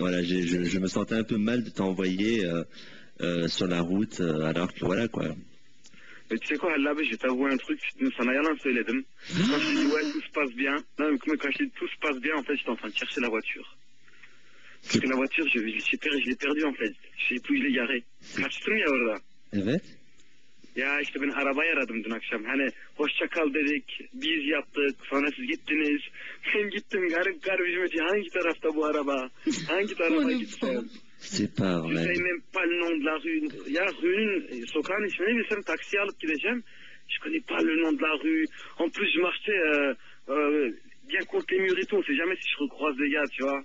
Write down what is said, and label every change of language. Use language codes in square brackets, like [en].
[fr] Voilà, je me sentais un peu mal de t'envoyer... sur la route, alors que voilà quoi. Mais tu sais quoi, Halabi, je vais t'avouer un truc, ça n'a rien à faire, Ledem. Quand je dis ouais, tout se passe bien, non, mais quand je dis tout se passe bien, en fait, j'étais en train de chercher la voiture. Parce que la voiture, je l'ai perdue en fait. Je sais plus, je l'ai garée. [tr] Kaçtın ya orada. Evet. Ya işte ben arabayı aradım dün akşam. Hani hoşça kal dedik, biz yaptık, sonra siz gittiniz. Ben gittim garip garip yürüyordum. Hangi tarafta bu araba? Hangi tarafa gittim? [fr] C'est pas vrai. Je sais même pas le nom de la rue. [tr] Ya rue'nin sokağın ismini bilsem taksi alıp gideceğim. [fr] Je connais pas le nom de la rue. En plus je marchais bien contre les murs et tout. On sait jamais si je recroise des gars, tu vois.